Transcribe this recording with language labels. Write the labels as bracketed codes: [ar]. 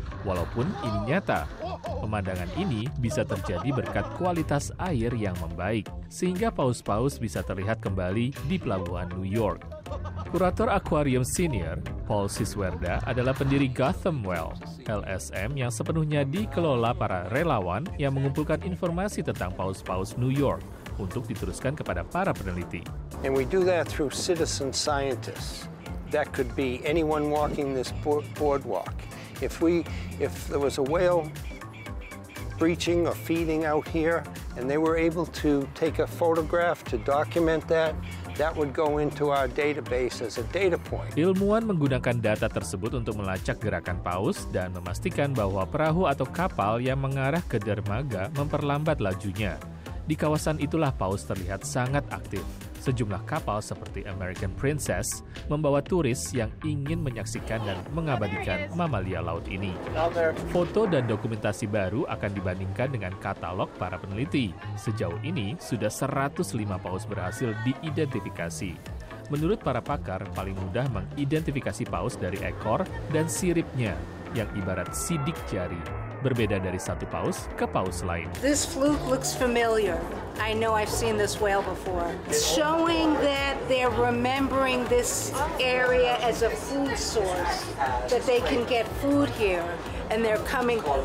[id] Walaupun ini nyata, pemandangan ini bisa terjadi berkat kualitas air yang membaik, sehingga paus-paus bisa terlihat kembali di pelabuhan New York. Kurator Aquarium Senior, Paul Siswerda, adalah pendiri Gotham Well, LSM yang sepenuhnya dikelola para relawan yang mengumpulkan informasi tentang paus-paus New York untuk diteruskan kepada para peneliti. [en] And we do that through citizen scientists. That could be anyone walking this boardwalk. If there was a whale breaching or feeding out here and they were able to take a photograph to document that, that would go into our database as a data point. [id] Ilmuwan menggunakan data tersebut untuk melacak gerakan paus dan memastikan bahwa perahu atau kapal yang mengarah ke dermaga memperlambat lajunya. Di kawasan itulah paus terlihat sangat aktif. Sejumlah kapal seperti American Princess membawa turis yang ingin menyaksikan dan mengabadikan mamalia laut ini. Foto dan dokumentasi baru akan dibandingkan dengan katalog para peneliti. Sejauh ini sudah 105 paus berhasil diidentifikasi. Menurut para pakar, paling mudah mengidentifikasi paus dari ekor dan siripnya yang ibarat sidik jari. Berbeda dari satu paus ke paus lain. [en] This fluke looks familiar. I know I've seen this whale before. Showing that they're remembering this area as a food source, that they can get food here, and they're coming.